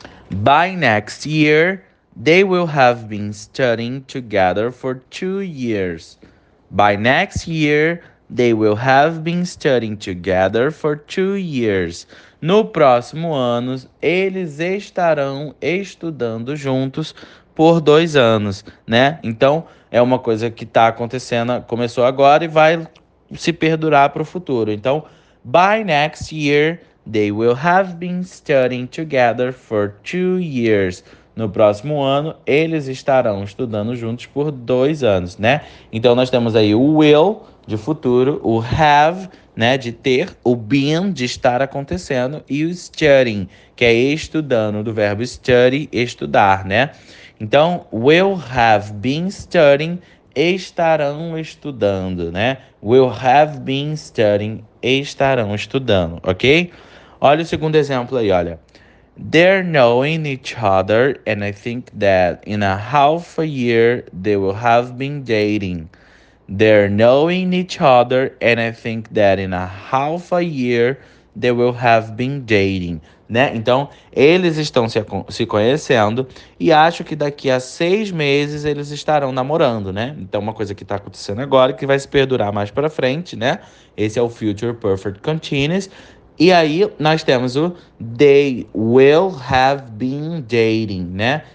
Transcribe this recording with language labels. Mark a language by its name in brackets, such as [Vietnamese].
[English] By next year, they will have been studying together for 2 years. By next year, they will have been studying together for 2 years. [Portuguese] No próximo ano, eles estarão estudando juntos por 2 anos, né? Então, é uma coisa que está acontecendo, começou agora e vai se perdurar para o futuro. Então, [English] by next year, they will have been studying together for 2 years. [Portuguese] No próximo ano, eles estarão estudando juntos por 2 anos, né? Então, nós temos aí o will de futuro, o have, né, de ter, o been de estar acontecendo e o studying, que é estudando, do verbo study, estudar, né? Então, [English] will have been studying, [Portuguese] estarão estudando, né? [English] Will have been studying, [Portuguese] estarão estudando, ok? Olha o segundo exemplo aí, olha. [English] They're knowing each other, and I think that in a half a year they will have been dating. They're knowing each other, and I think that in a half a year they will have been dating. [Portuguese] Né? Então, eles estão se conhecendo e acho que daqui a 6 meses eles estarão namorando, né? Então, uma coisa que está acontecendo agora que vai se perdurar mais para frente, né? Esse é o Future Perfect Continuous. E aí, nós temos o [English] they will have been dating, [Portuguese] né?